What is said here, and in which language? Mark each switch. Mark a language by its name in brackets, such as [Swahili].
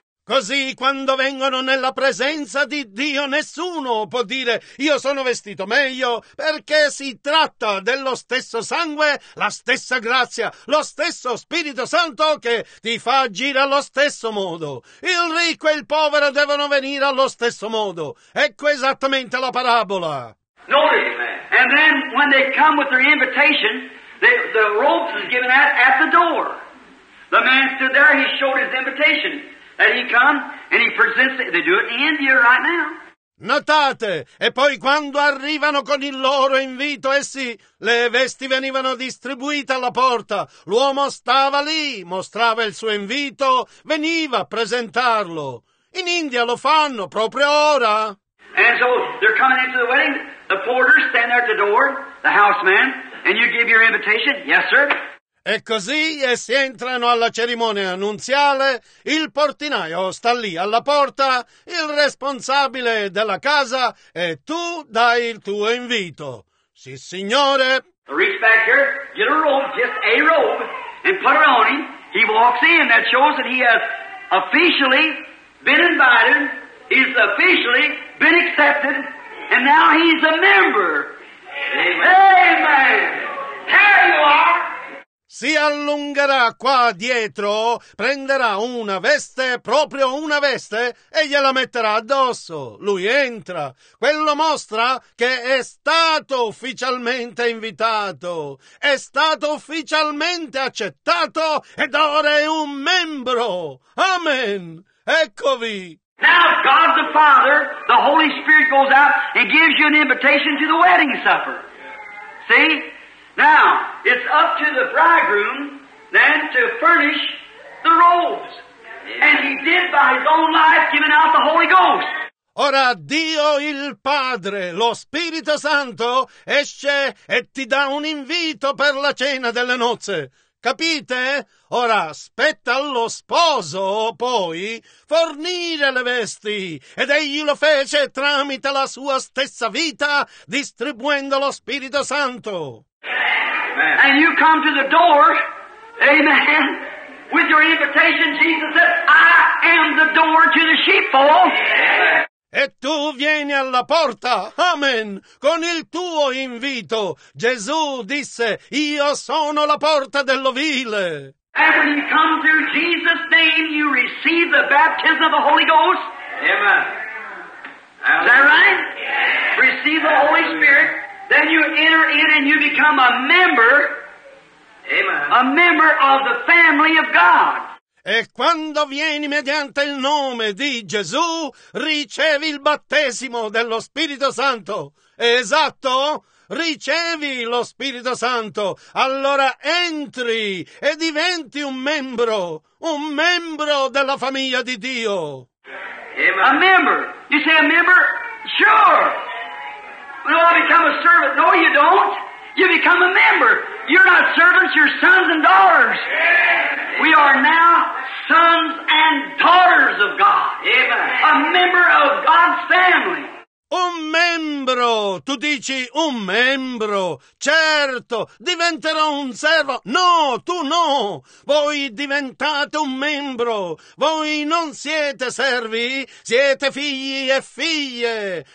[Italian] Così, quando vengono nella presenza di Dio, nessuno può dire io sono vestito meglio, perché si tratta dello stesso sangue, la stessa grazia, lo stesso Spirito Santo che ti fa agire allo stesso modo. Il ricco e il povero devono venire allo stesso modo. Ecco esattamente la parabola. [English] Notice, and then when they come with their invitation, the ropes is given at the door. The man stood there, he showed his invitation. And he comes and he presents it. They do it in India right now. [Italian] Notate, e poi quando arrivano con il loro invito, essi, le vesti venivano distribuite alla porta. L'uomo stava lì, mostrava il suo invito, veniva a presentarlo. In India lo fanno proprio ora. [English] And so they're coming into the wedding. The porters stand there at the door, the houseman, and you give your invitation. Yes, sir. [Italian] E così essi entrano alla cerimonia nuziale, il portinaio sta lì alla porta, il responsabile della casa e tu dai il tuo invito. Sì, signore. [English] Reach back here, get a robe, just a robe, and put it on him. He walks in, that shows that he has officially been invited, he's officially been accepted, and now he's a member. Amen. Amen. There you are. [Italian] Si allungherà qua dietro, prenderà una veste, proprio una veste, e gliela metterà addosso. Lui entra. Quello mostra che è stato ufficialmente invitato. È stato ufficialmente accettato ed ora è un membro. Amen. Eccovi. [English] Now God the Father, the Holy Spirit goes out and gives you an invitation to the wedding supper. See? Now, it's up to the bridegroom then to furnish the robes. And he did by his own life, giving out the Holy Ghost. [Italian] Ora Dio il Padre, lo Spirito Santo, esce e ti dà un invito per la cena delle nozze. Capite? Ora aspetta lo sposo, poi, fornire le vesti. Ed egli lo fece tramite la sua stessa vita, distribuendo lo Spirito Santo. [English] And you come to the door, amen, with your invitation, Jesus said, I am the door to the sheepfold. [Italian] E tu vieni alla porta, amen, con il tuo invito. Gesù disse, io sono la porta dell'ovile. [English] And when you come through Jesus' name, you receive the baptism of the Holy Ghost. Amen. Is that right? Yes. Receive the Holy Spirit. Then you enter in and you become a member. Amen. A member of the family of God. [Italian] E quando vieni mediante il nome di Gesù, ricevi il battesimo dello Spirito Santo. Esatto? Ricevi lo Spirito Santo. Allora entri e diventi un membro della famiglia di Dio. [English] Amen. A member. You say a member? Sure. No, I become a servant. No, you don't. You become a member. You're not servants, you're sons and daughters. We are now sons and daughters of God. A member of God's family. [Italian] Un membro, tu dici un membro, certo, diventerò un servo. No, tu no, voi diventate un membro, voi non siete servi, siete figli e figlie.